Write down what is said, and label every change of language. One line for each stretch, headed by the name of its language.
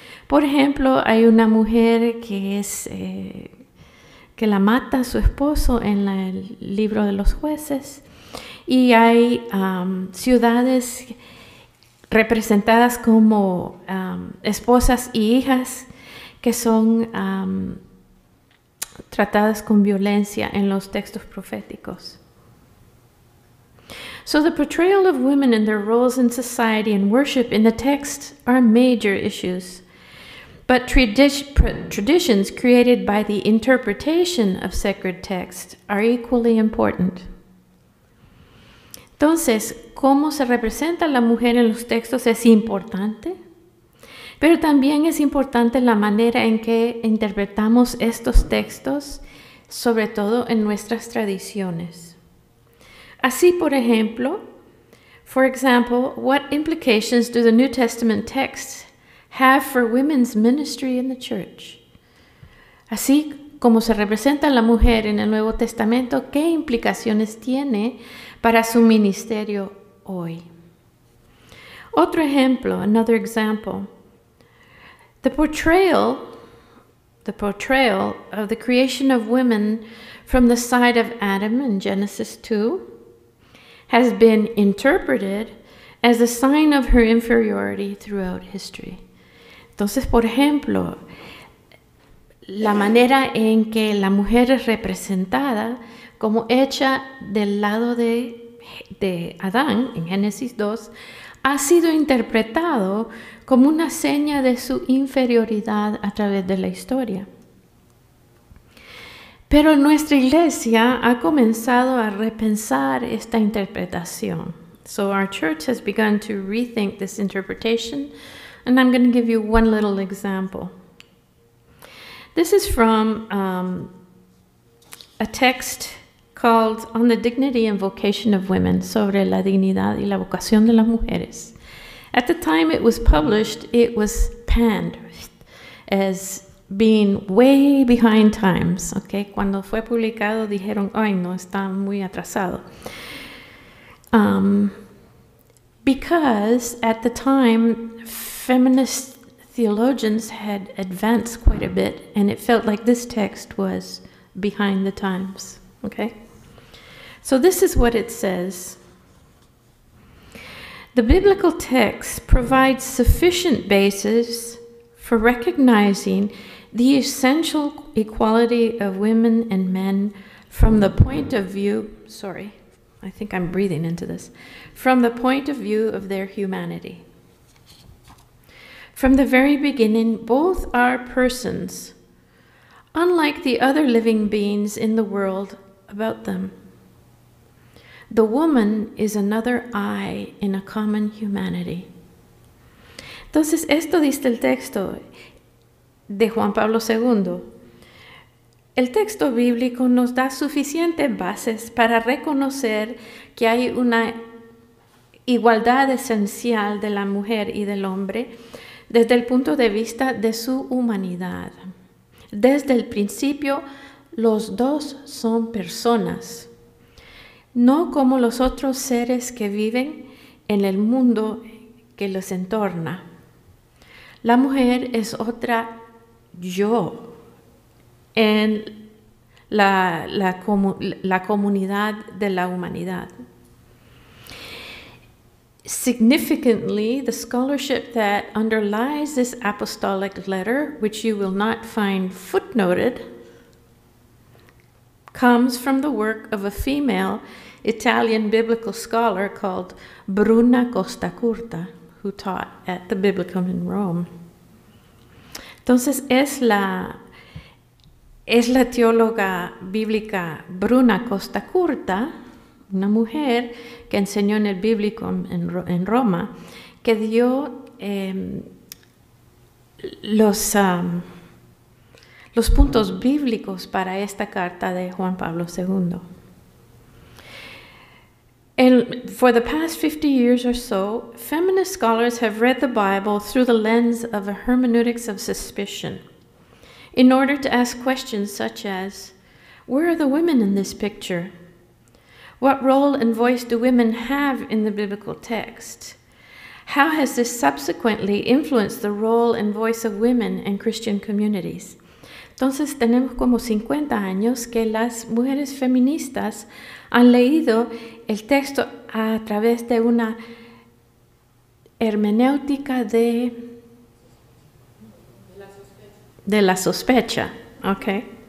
Spanish: Por ejemplo, hay una mujer que la mata a su esposo en el libro de los jueces. Y hay ciudades representadas como esposas y hijas que son tratadas con violencia en los textos proféticos.
English: So the portrayal of women and their roles in society and worship in the text are major issues. But traditions created by the interpretation of sacred text are equally important.
Spanish: Entonces, cómo se representa la mujer en los textos es importante, pero también es importante la manera en que interpretamos estos textos, sobre todo en nuestras tradiciones. Así,
English: for example, what implications do the New Testament texts have for women's ministry in the church.
Spanish: Así como se representa la mujer en el Nuevo Testamento, ¿qué implicaciones tiene para su ministerio hoy? Otro ejemplo,
English: another example. The portrayal of the creation of women from the side of Adam in Genesis 2 has been interpreted as a sign of her inferiority throughout history.
Spanish: Entonces, por ejemplo, la manera en que la mujer es representada como hecha del lado de Adán en Génesis 2 ha sido interpretado como una seña de su inferioridad a través de la historia. Pero nuestra iglesia ha comenzado a repensar esta interpretación.
English: So our church has begun to rethink this interpretation, and I'm going to give you one little example. This is from a text called On the Dignity and Vocation of Women,
Spanish: Sobre la Dignidad y la Vocación de las Mujeres.
English: At the time it was published, it was panned as being way behind times.
Spanish: Okay, cuando fue publicado dijeron, ay, no, está muy atrasado.
English: Because at the time, feminist theologians had advanced quite a bit, and it felt like this text was behind the times. Okay? So this is what it says. The biblical text provides sufficient basis for recognizing the essential equality of women and men from the point of view, sorry, I think I'm breathing into this, from the point of view of their humanity. From the very beginning, both are persons, unlike the other living beings in the world about them. The woman is another I in a common humanity.
Spanish: Entonces, esto dice el texto de Juan Pablo II. El texto bíblico nos da suficientes bases para reconocer que hay una igualdad esencial de la mujer y del hombre desde el punto de vista de su humanidad. Desde el principio, los dos son personas, no como los otros seres que viven en el mundo que los entorna. La mujer es otra yo en la comunidad de la humanidad.
English: Significantly, the scholarship that underlies this apostolic letter, which you will not find footnoted, comes from the work of a female Italian biblical scholar called Bruna Costacurta, who taught at the Biblicum in Rome.
Spanish: Entonces, es la teóloga bíblica Bruna Costacurta, una mujer que enseñó en el Biblicum en Roma, que dio los puntos bíblicos para esta carta de Juan Pablo II.
English: For the past 50 years or so, feminist scholars have read the Bible through the lens of a hermeneutics of suspicion in order to ask questions such as, where are the women in this picture? What role and voice do women have in the biblical text? How has this subsequently influenced the role and voice of women in Christian communities?
Spanish: Entonces, tenemos como 50 años que las mujeres feministas han leído el texto a través de una hermenéutica de la sospecha, ¿ok?